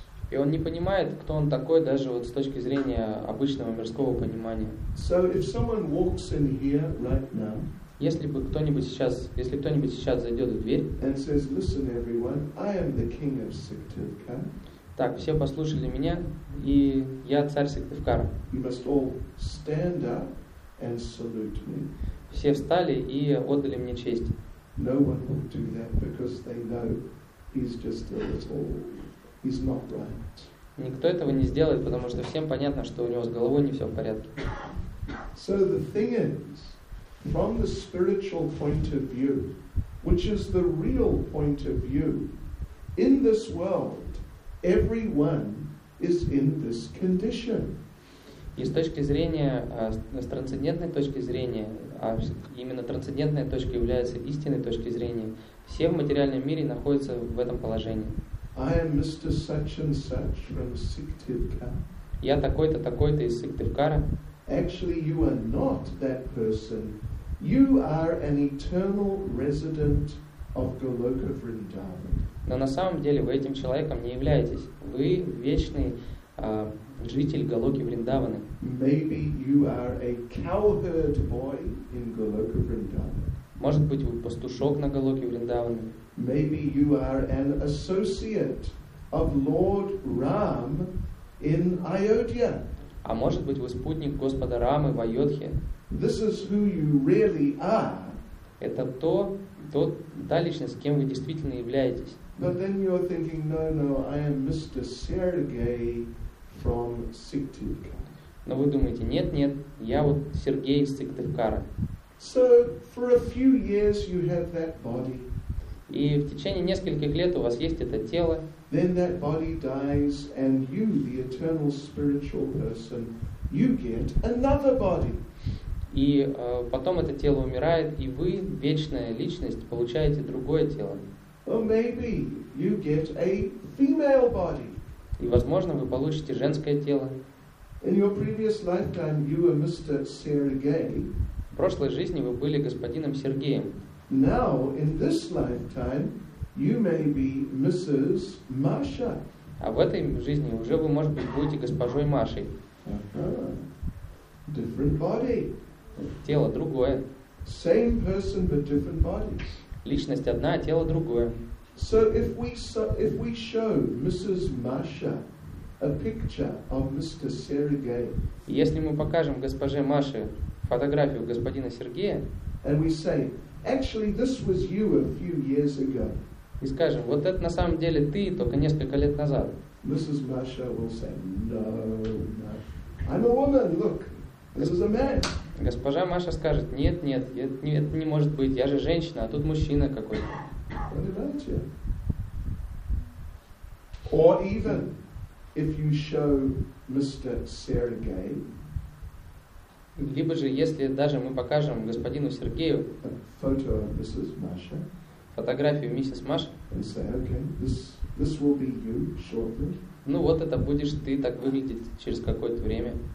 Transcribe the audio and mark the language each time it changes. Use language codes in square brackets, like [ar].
[ru] И он не понимает, кто он такой, даже вот с точки зрения обычного мирского понимания. [en] So if someone walks in here right now, [ru] если кто-нибудь сейчас зайдет в дверь, [en] and says, "Listen, everyone, I am the king of Сыктывкар." [ru] Так, все послушали меня, и я царь Сыктывкара. [en] You must all stand up and salute me. [ru] Все встали и отдали мне честь. [en] No one will do that because they know he's just a little. He's not right. [ru] Никто этого не сделает, потому что всем понятно, что у него с головой не все в порядке. [en] So the thing is, from the spiritual point of view, which is the real point of view, in this world, everyone is in this condition. [ru] И с точки зрения, с трансцендентной точки зрения, а именно трансцендентная точка является истинной точкой зрения, все в материальном мире находятся в этом положении. [en] I am Mr. Such and Such from Сыктывкар. [ru] Я такой-то, такой-то из Сыктывкара. [en] Actually, you are not that person. You are an eternal resident of Goloka Vrindavan. [ru] Но на самом деле вы этим человеком не являетесь. Вы вечный житель Голоки Вриндаваны. [en] Maybe you are a cowherd boy in Goloka Vrindavan. [ru] Может быть, вы пастушок на Голоке Вриндаваны. [en] Maybe you are an associate of Lord Ram in Ayodhya. [ru] А может быть, вы спутник Господа Рамы в Айодхе. [en] This is who you really are. [ru] Это та личность, кем вы действительно являетесь. [en] But then you're thinking, no, no, I am Mr. Sergei from Сыктывкар. [ru] Но вы думаете, нет, нет, я вот Сергей из Сыктывкара. [en] So for a few years you have that body. [ru] И в течение нескольких лет у вас есть это тело. [en] Then that body dies, and you, the eternal spiritual person, you get another body. [ru] И потом это тело умирает, и вы, вечная личность, получаете другое тело. [en] Or maybe you get a female body. [ru] И возможно вы получите женское тело. [en] In your previous lifetime you were Mr. Sergei. [ru] В прошлой жизни вы были господином Сергеем. [en] Now in this lifetime you may be Mrs. Masha. [ru] А в этой жизни уже вы, может быть, будете госпожой Машей. [en] Uh-huh. Different body. [ru] Тело другое. [en] Same person but different bodies. [ru] Личность одна, а тело другое. [en] So if we show Mrs. Masha a picture of Mr. Sergei. [ru] Если мы покажем госпоже Маше фотографию господина Сергея. [en] And we say, actually, this was you a few years ago. [ru] И скажем, вот это на самом деле ты, только несколько лет назад. [en] Mrs. Masha will say, no, I'm a woman. Look, this is a man. [ru] Госпожа Маша скажет, нет, нет, это не может быть, я же женщина, а тут мужчина какой-то. [en] What about you? Or even if you show Mr. Sergei. [ru] Либо же, если даже мы покажем господину Сергею [en] a photo of Mrs. Masha, [ru] фотографию миссис Маша, [en] and say, okay, this will be you shortly. [ru] Ну вот это будешь ты так выглядеть через какое-то время.